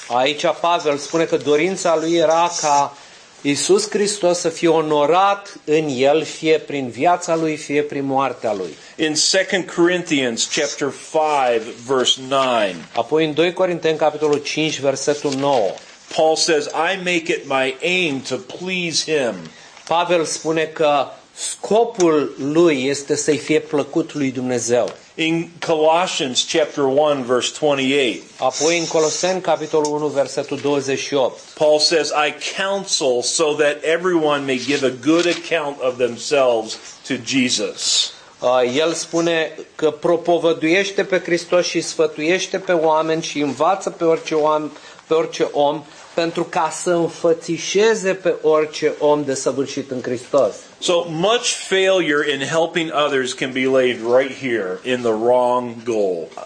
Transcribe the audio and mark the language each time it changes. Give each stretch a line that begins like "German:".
Romanian: Aici Pavel spune că dorința lui era ca Iisus Hristos să fie onorat în el, fie prin viața lui, fie prin moartea lui.
English: In 2 Corinthians chapter 5 verse 9.
Romanian: Apoi în 2 Corinteni capitolul 5 versetul 9.
English: Paul says, I make it my aim to please him.
Romanian: Pavel spune că scopul lui este să-i fie plăcut lui Dumnezeu.
English: In Colossians chapter 1 verse 28.
Romanian: Apoi în Coloseni capitolul 1 versetul 28.
English: Paul says, I counsel so that everyone may give a good account of themselves to Jesus.
Romanian: El spune că propovăduiește pe Hristos și sfătuiește pe oameni și învață pe orice om pentru ca să înfățișeze pe orice om desăvârșit în Hristos.
English: So much failure in helping others can be laid right here in the wrong goal.